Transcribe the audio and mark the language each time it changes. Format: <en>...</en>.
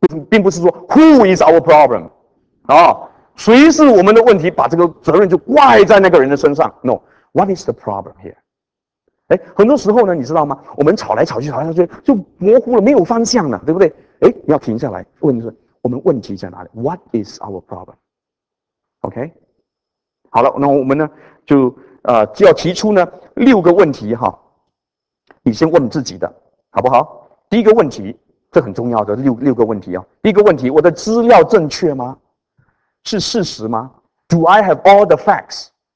<zh>并不是说</zh> <en>Who is our problem?</en> <zh>啊，谁是我们的问题？把这个责任就怪在那个人的身上。</zh> <en>No, what is the problem here?</en> <zh>哎，很多时候呢，你知道吗？我们吵来吵去，吵来吵去，就模糊了，没有方向了，对不对？哎，你要停下来问说，我们问题在哪里 ？</zh> <en>What is our problem?</en> <zh>OK, 好了，那我们呢，就要提出呢六个问题哈。你先问自己的好不好？第一个问题，这很重要的六个问题啊。第一个问题，我的资料正确吗？是事实吗</zh> <en>？Do I have all the facts？</en>